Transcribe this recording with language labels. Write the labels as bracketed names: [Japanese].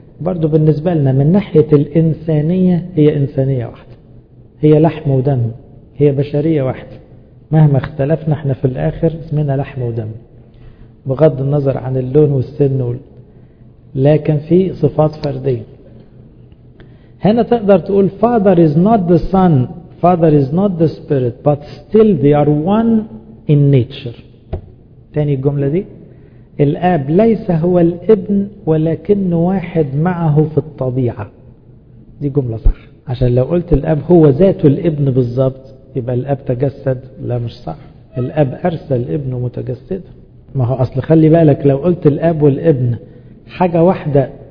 [Arabic] برضو بالنسبة لنا من ناحية الإنسانية هي إنسانية واحدة، هي لحم ودم، هي بشرية واحدة. مهما اختلفنا احنا في الآخر اسمنا لحم ودم، بغض النظر عن اللون والسن، لكن في صفات فردية. هنا تقدر تقول [English] Father is not the son, Father is not the spirit, but still they are one in nature. [Arabic] تاني الجملة دي، الاب ليس هو الابن ولكن واحد معه في الطبيعة. دي جملة صح، عشان لو قلت الاب هو ذات الابن بالضبط يبقى الاب تجسد. لا مش صح، الاب ارسل ابنه متجسد. ما هو اصل خلي بالك، لو قلت الاب والابن حاجة واحدة